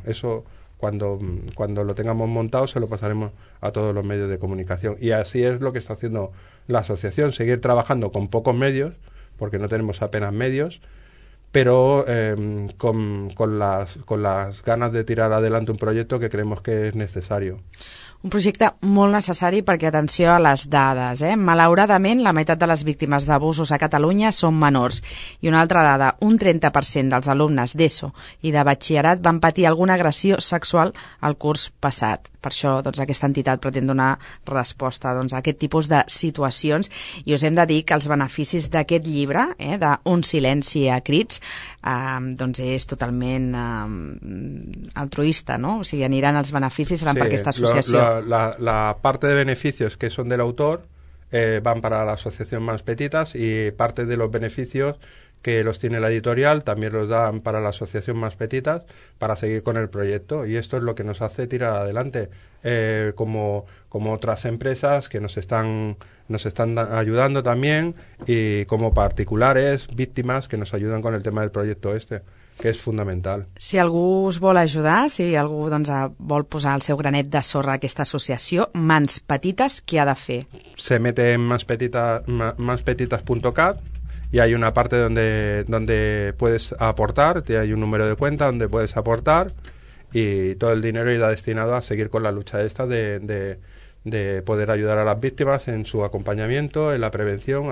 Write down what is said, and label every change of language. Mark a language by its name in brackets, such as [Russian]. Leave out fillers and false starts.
[Spanish] Eso, cuando lo tengamos montado, se lo pasaremos a todos los medios de comunicación. Y así es lo que está haciendo la asociación, seguir trabajando con pocos medios, porque no tenemos apenas medios, pero con las ganas de tirar adelante un proyecto que creemos que es necesario. [Catalan] Un projecte molt necessari, perquè atenció a les dades, eh? Malauradament, la meitat de les víctimes d'abusos a Catalunya són menors. I una altra dada, un 30% dels alumnes d'ESO i de batxillerat van patir alguna agressió sexual al curs passat. Per això, doncs, aquesta entitat pretén donar resposta, doncs, a aquest tipus de situacions. I us hem de dir que els beneficis d'aquest llibre, eh, d'Un silenci a crits, doncs és totalment altruista, no? O sigui, aniran els beneficis, seran, sí, per aquesta associació. [Spanish] La parte de beneficios que son del autor van para la asociación Mans Petites, y parte de los beneficios que los tiene la editorial también los dan para la asociación Mans Petites para seguir con el proyecto, y esto es lo que nos hace tirar adelante, como otras empresas que nos están ayudando también, y como particulares, víctimas que nos ayudan con el tema del proyecto este, [Catalan] que és fonamental. Si algú us vol ajudar, si algú, doncs, vol posar el seu granet de sorra a aquesta associació, Mans Petites, què ha de fer? [Spanish] Se mete en manspetites.cat y hay una parte donde puedes aportar, hay un número de cuenta donde puedes aportar, y todo el dinero irá destinado a seguir con la lucha esta de poder ayudar a las víctimas en su acompañamiento, en la prevención.